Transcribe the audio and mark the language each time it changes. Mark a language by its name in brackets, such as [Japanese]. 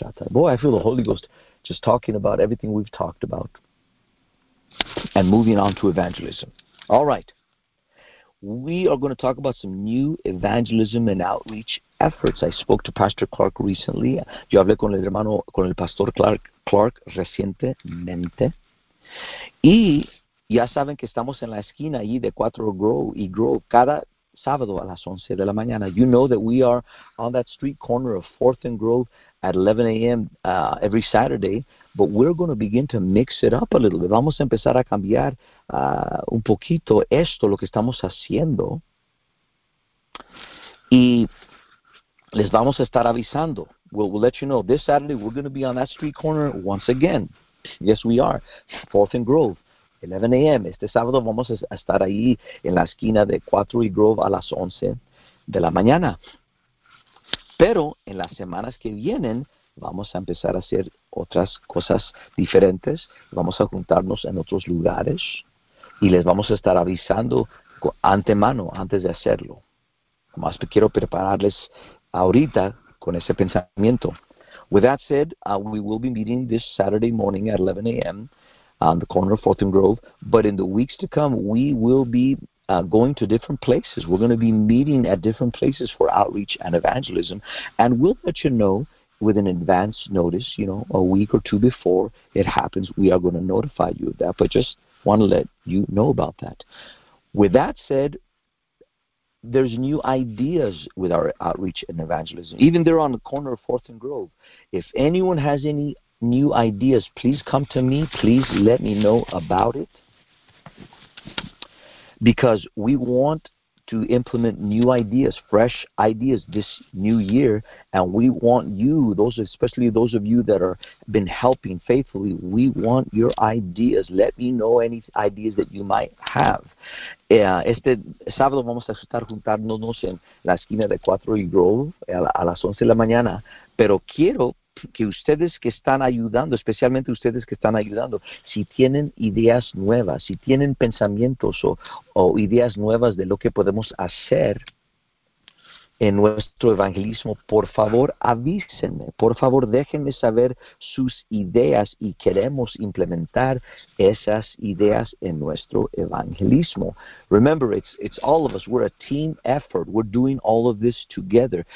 [English] Boy, I feel the Holy Ghost just talking about everything we've talked about and moving on to evangelism. All right. We are going to talk about some new evangelism and outreach efforts. I spoke to Pastor Clark recently. [Spanish] Yo hablé con el hermano, con el Pastor Clark recientemente. Y ya saben que estamos en la esquina allí de Cuatro Grove y Grove cada sábado a las 11 de la mañana. [English] You know that we are on that street corner of 4th and Grove at 11 a.m. Every Saturday, but we're going to begin to mix it up a little bit. [Spanish] Vamos a empezar a cambiar un poquito esto, lo que estamos haciendo. Y les vamos a estar avisando. [English] We'll let you know. This Saturday, we're going to be on that street corner once again. Yes, we are. 4th and Grove, 11 a.m. [Spanish] Este sábado vamos a estar ahí en la esquina de 4 y Grove a las 11 de la mañana. Pero en las semanas que vienen, vamos a empezar a hacer otras cosas diferentes. Vamos a juntarnos en otros lugares y les vamos a estar avisando antemano, antes de hacerlo. Más que quiero prepararles ahorita con ese pensamiento. [English] With that said, we will be meeting this Saturday morning at 11 a.m. on the corner of 4th and Grove. But in the weeks to come, we will be going to different places. We're going to be meeting at different places for outreach and evangelism. And we'll let you know with an advance notice, you know, a week or two before it happens, we are going to notify you of that, but just want to let you know about that. With that said, there's new ideas with our outreach and evangelism. Even there on the corner of 4th and Grove, if anyone has any new ideas, please come to me. Please let me know about it. Because we want to implement new ideas, fresh ideas this new year. And we want you, those, especially those of you that have been helping faithfully, we want your ideas. Let me know any ideas that you might have. [Spanish] Este sábado vamos a estar juntándonos en la esquina de 4 y Grove a las 11 de la mañana. Pero quiero que ustedes que están ayudando, especialmente ustedes que están ayudando, si tienen ideas nuevas, si tienen pensamientos o ideas nuevas de lo que podemos hacer en nuestro evangelismo, por favor avísenme, por favor déjenme saber sus ideas y queremos implementar esas ideas en nuestro evangelismo. [English] Remember, it's all of us, we're a team effort, we're doing all of this together.